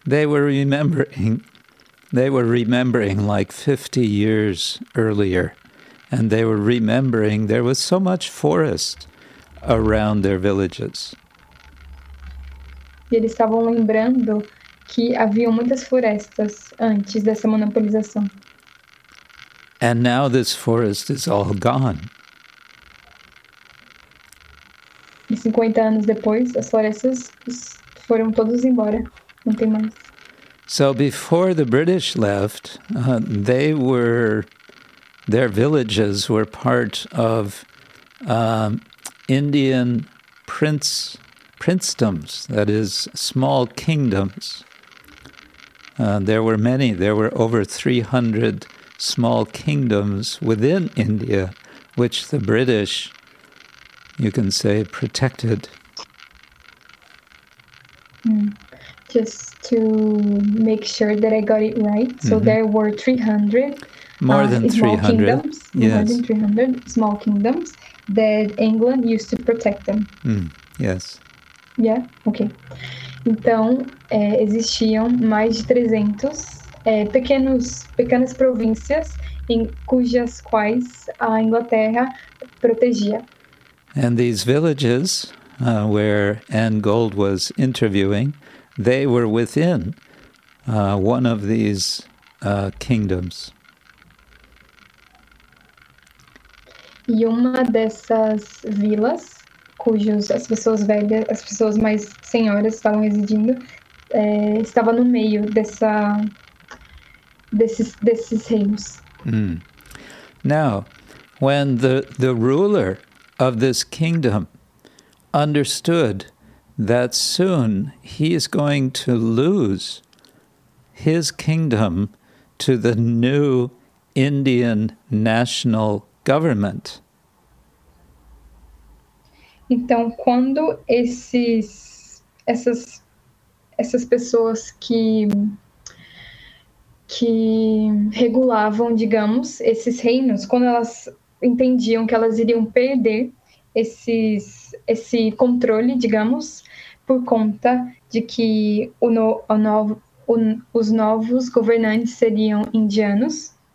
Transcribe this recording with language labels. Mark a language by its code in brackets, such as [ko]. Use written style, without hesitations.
[en] They were remembering like 50 years earlier, and they were remembering there was so much forest around their villages. [pt] E eles estavam lembrando que havia muitas florestas antes dessa monopolização. And now this forest is all gone. E 50 anos depois, as florestas foram todas embora. Não tem mais. [en] So before the British left, their villages were part of Indian princedoms, that is, small kingdoms. There were many. There were over 300 small kingdoms within India, which the British, you can say, protected. Just to make sure that I got it right. So there were 300. More than 300. Kingdoms, yes. More than 300 small kingdoms that England used to protect them. Yes. Yeah, okay. [pt] Então, existiam mais de 300 pequenas províncias em cujas quais a Inglaterra protegia. [en] And these villages where Anne Gold was interviewing, they were within one of these kingdoms. [pt] E uma dessas vilas, cujas as pessoas velhas, as pessoas mais senhoras estavam residindo, estava no meio desses reinos. [en] Now, when the ruler of this kingdom understood that soon he is going to lose his kingdom to the new Indian national government. [pt] Então, quando essas pessoas que regulavam, digamos, esses reinos, quando elas entendiam que elas iriam perder esse controle, digamos, por conta de que os novos governantes seriam indianos.